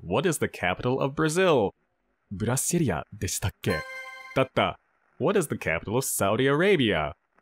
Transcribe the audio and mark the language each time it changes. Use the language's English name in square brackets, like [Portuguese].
[English] What is the capital of Brazil? [Japanese] ブラシリアでしたっけ？だった。 [English] What is the capital of Saudi Arabia?